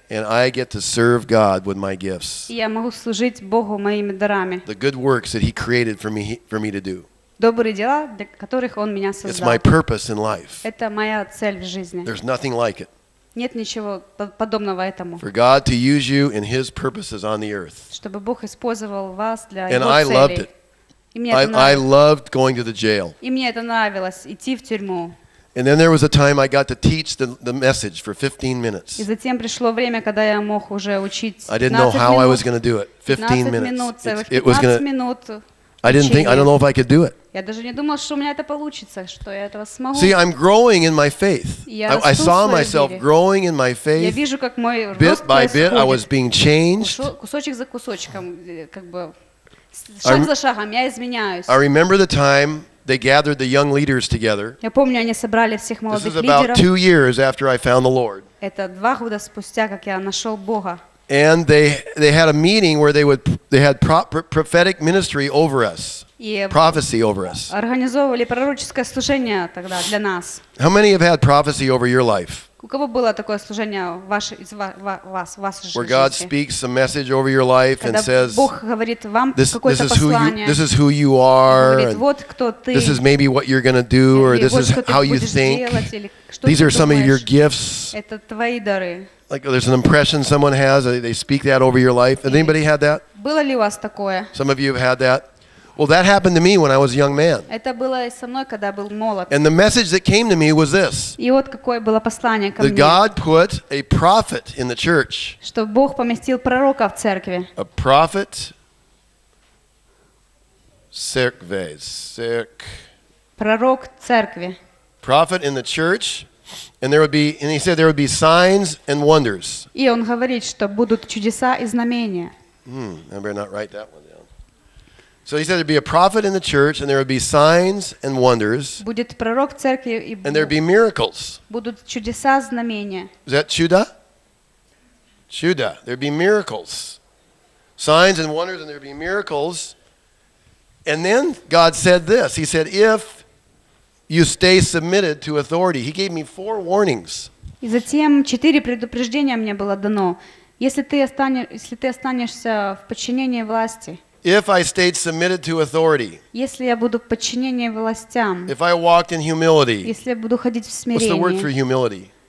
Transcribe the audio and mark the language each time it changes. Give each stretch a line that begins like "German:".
English: And I get to serve God with my gifts.
Russian: Я могу служить Богу моими дарами.
English: The good works that He created for me to do.
Russian: Добрые дела, для которых Он меня создал.
English: It's my purpose in life.
Russian: Это моя цель в жизни.
English: There's nothing like it.
Russian: Нет ничего подобного этому.
English: For God to use you in His purposes on the earth.
Russian: Чтобы Бог использовал вас для
English: And I loved it. I loved going to the jail.
Russian: И мне это нравилось, идти в тюрьму.
English: And then there was a time I got to teach the message for 15 minutes.
Russian: И затем пришло время, когда я мог уже учить.
English: I didn't know how
Russian: минут.
English: I was going to do it. 15 minutes.
Russian: Минут, целых 15
English: it was
Russian: минут.
English: I didn't think. I don't know if I could do it.
Russian: Я даже не думал, что у меня это получится, что я этого смогу.
English: See, I'm growing in my faith. I saw myself growing in my faith.
Russian: Я вижу, как мой рост
English: Bit by bit, I was being changed.
Russian: Кусочек за кусочком, как бы. Шаг за шагом, я изменяюсь.
English: I remember the time they gathered the young leaders together.
Russian: Я помню, они собрали всех молодых лидеров.
English: This was about 2 years after I found the Lord.
Russian: Это 2 года спустя, как я нашел Бога.
English: And they had a meeting where they had prophetic ministry over us. Prophecy over us.
Russian: Организовывали пророческое служение тогда для нас.
English: How many have had prophecy over your life?
Russian: У кого было такое служение ваше из вас в вашей жизни?
English: Where God speaks a message over your life and says,
Russian: Бог говорит вам какое-то послание.
English: This is who you are.
Russian: Вот кто ты.
English: This is maybe what you're going to do or this is how you think. These are some of your gifts.
Russian: Это твои дары.
English: Like there's an impression someone has, they speak that over your life. Has anybody had that?
Russian: Было ли у вас такое?
English: Some of you have had that. Well, that happened to me when I was a young man.
Russian: Это было со мной, когда был молод.
English: And the message that came to me was this.
Russian: И вот какое было послание ко мне.
English: That God put a prophet in the church.
Russian: Что Бог поместил пророка в церкви.
English: A prophet.
Russian: Церкви. Пророк церкви.
English: Prophet in the church. And there would be, and he said there would be signs and wonders.
Russian: И он говорит, что будут чудеса и знамения.
English: I better not write that one down. So he said there'd be a prophet in the church, and there would be signs and wonders.
Russian: Будет пророк в церкви и.
English: And there'd be miracles.
Russian: Будут чудеса, знамения.
English: Is that чудо? Чудо. There'd be miracles, signs and wonders, and there'd be miracles. And then God said this. He said, if you stay submitted to authority. He gave me 4 warnings.
Russian: И затем 4 предупреждения мне было дано. Если ты останешься в подчинении власти.
English: If I stayed submitted to authority.
Russian: Если я буду в подчинении властям.
English: If I walked in humility.
Russian: Если я буду ходить в смирении.
English: What's the word for humility?